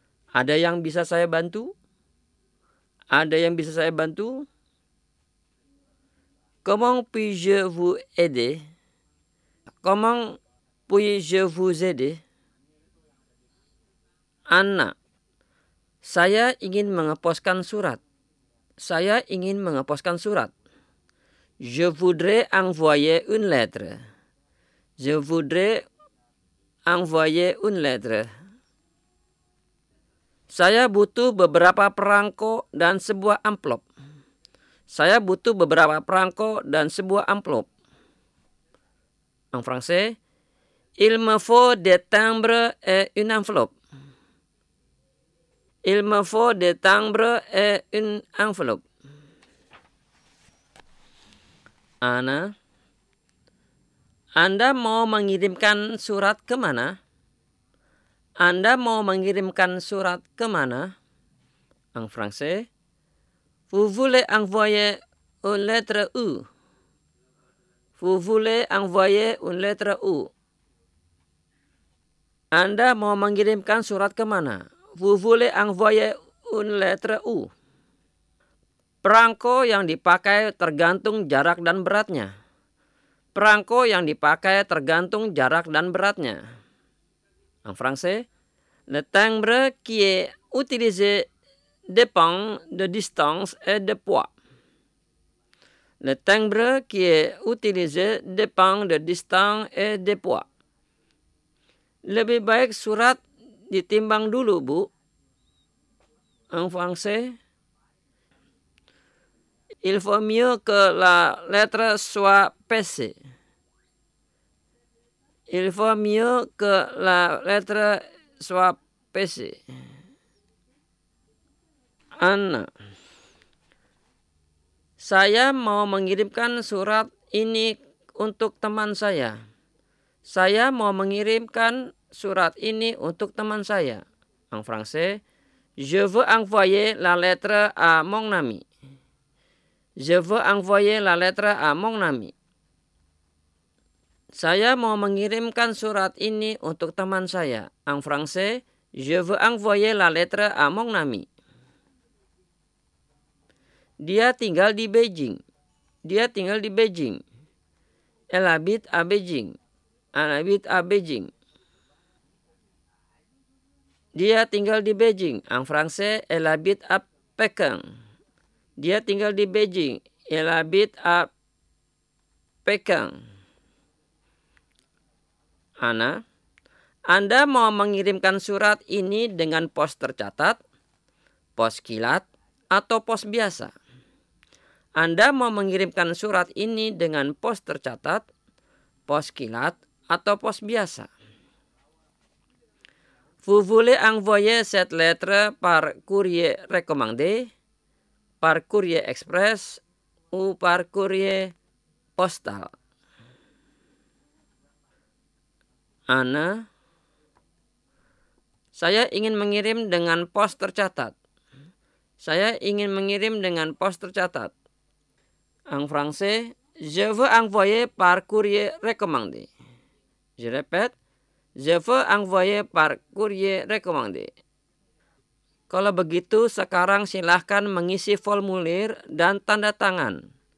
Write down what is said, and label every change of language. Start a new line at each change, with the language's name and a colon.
Indonesian: Ada yang bisa saya bantu? Ada yang bisa saya bantu?
French: Comment puis-je vous aider? Comment puis-je vous aider? Anna.
Indonesian: Saya ingin mengeposkan surat. Saya ingin mengeposkan surat.
French: Je voudrais envoyer une lettre. Je voudrais envoyer une lettre.
Indonesian: Saya butuh beberapa perangko dan sebuah amplop. Saya butuh beberapa perangko dan sebuah amplop.
French: En français, il me faut des timbres et une enveloppe. Il me faut des timbres et une enveloppe.
Indonesian: Anna, Anda mau mengirimkan surat ke mana? Anda mau mengirimkan surat ke mana?
French: En français, vous voulez envoyer une lettre où? Vous voulez envoyer une lettre où?
Indonesian: Anda mau mengirimkan surat ke mana?
French: Vous voulez envoyer une lettre où?
Indonesian: Perangko yang dipakai tergantung jarak dan beratnya. Perangko yang dipakai tergantung jarak dan beratnya.
French: En français, le timbre qui est utilisé dépend de distance et de poids. Le timbre qui est utilisé dépend de distance et de poids.
Indonesian: Lebih baik surat ditimbang dulu, Bu.
French: En français, il vaut mieux que la lettre soit pesée. Il vaut mieux que la lettre soit pesée.
Indonesian: Anna, saya mau mengirimkan surat ini untuk teman saya. Saya mau mengirimkan surat ini untuk teman saya.
French: En français, je veux envoyer la lettre à mon ami. Je veux envoyer la lettre à mon ami.
Indonesian: Saya mau mengirimkan surat ini untuk teman saya.
French: En français, je veux envoyer la lettre à mon ami.
Indonesian: Dia tinggal di Beijing. Dia tinggal di Beijing.
French: Elle habite à Beijing. Elle habite à Beijing.
Indonesian: Dia tinggal di Beijing.
French: En français, elle habite à Pékin.
Indonesian: Dia tinggal di Beijing.
French: Elle habite à Pékin.
Indonesian: Anna, Anda mau mengirimkan surat ini dengan pos tercatat, pos kilat, atau pos biasa? Anda mau mengirimkan surat ini dengan pos tercatat, pos kilat, atau pos biasa?
French: Vous voulez envoyer cette lettre par courrier recommandé, par courrier express, ou par courrier postal?
Indonesian: Anna, saya ingin mengirim dengan pos tercatat. Saya ingin mengirim dengan pos tercatat.
French: En français, je veux envoyer par courrier recommandé. Je répète, je veux envoyer par courrier recommandé.
Indonesian: Kalau begitu, sekarang silakan mengisi formulir dan tanda tangan.